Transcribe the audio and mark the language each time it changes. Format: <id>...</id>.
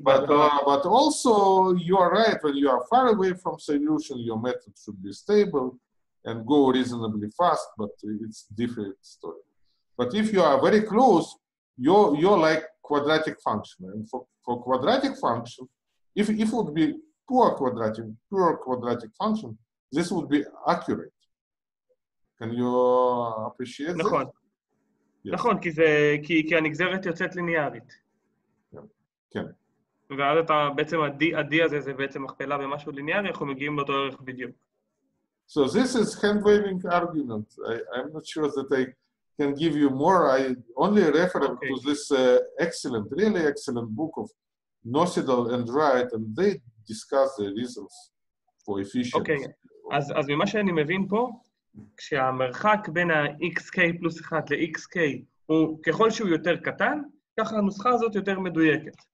<en>but also you are right, when you are far away from solution, your method should be stable and go reasonably fast, but it's different story. But if you are very close, you're like quadratic function. And for quadratic function, if it would be poor quadratic function, this would be accurate. Can you appreciate that?</en> <he>נכון. Yes. נכון, כי זה, כי הנגזרת יוצאת ליניארית. כן. ואז אתה, בעצם ה-D הזה, זה בעצם מכפלה במשהו ליניארי, אנחנו מגיעים לאותו ערך בדיוק.</he> <en>So this is hand-waving argument. I'm not sure that I can give you more. I only refer to this excellent, really excellent book of Nocidal and Wright, and they discuss the reasons for efficiency.</en> <he>Okay, as ממה שאני מבין פה, כשהמרחק בין ה-XK פלוס 1 ל-XK הוא ככל שהוא יותר קטן, ככה הנוסחה הזאת יותר מדויקת.</he>